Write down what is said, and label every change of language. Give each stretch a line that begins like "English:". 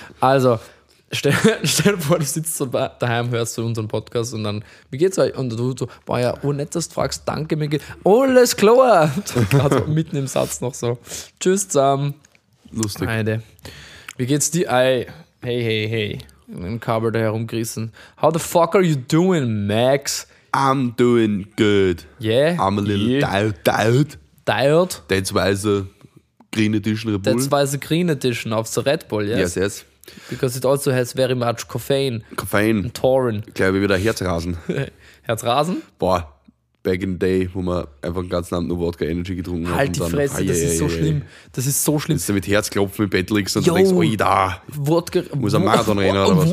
German: Also, stell dir vor, du sitzt so daheim, hörst du unseren Podcast und dann, wie geht's euch? Und du so, boah, ja, oh nett, dass du fragst, danke, mir geht's. Alles klar. Also, mitten im Satz noch so. Tschüss zusammen. Lustig. Heide. Wie geht's dir? Ei. Hey, hey, hey. Mit dem Kabel da herumgerissen.
English: How the fuck are you doing, Max? I'm doing good. Yeah? I'm a little tired. Tired? That's why the Green Edition Red Bull. That's why the Green Edition of the Red Bull, yes? Yes, yes. Because it also has very much caffeine. Caffeine. And taurine.
German: Gleich wie wieder Herzrasen. Herzrasen? Boah,
English: back in the day,
German: wo man einfach den ganzen Abend nur Wodka Energy getrunken hat. Halt die Fresse, das ist so schlimm. Das ist so schlimm. Mit Herzklopfen mit Bett liegst und denkst, oi da, muss ein Marathon rennen oder was?